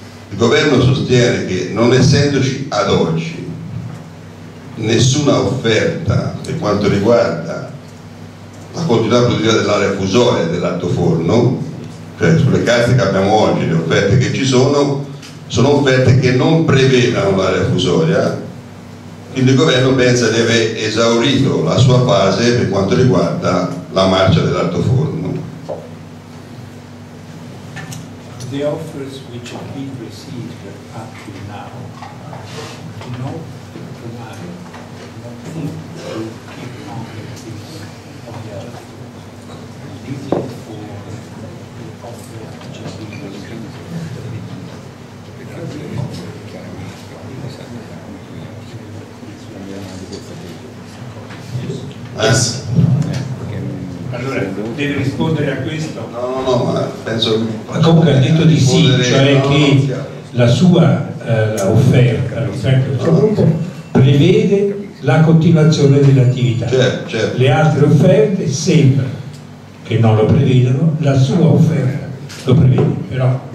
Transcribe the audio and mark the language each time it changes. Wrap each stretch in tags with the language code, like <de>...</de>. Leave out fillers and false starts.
<it>il governo sostiene che non essendoci ad oggi nessuna offerta per quanto riguarda la continuità produttiva dell'area fusoria dell'altoforno, cioè sulle carte che abbiamo oggi, le offerte che ci sono, sono offerte che non prevedano l'area fusoria, quindi il governo pensa di aver esaurito la sua fase per quanto riguarda la marcia dell'altoforno.</it> <en>The offers which have been received up to now do not provide to keep on the earth. This is for the offer which has been received.</en> <it>Allora, deve rispondere a questo? No, ma penso. Ma comunque ha detto di sì, cioè che la sua offerta prevede la continuazione dell'attività. Certo. Le altre offerte sembra che non lo prevedano, la sua offerta lo prevede, però</it>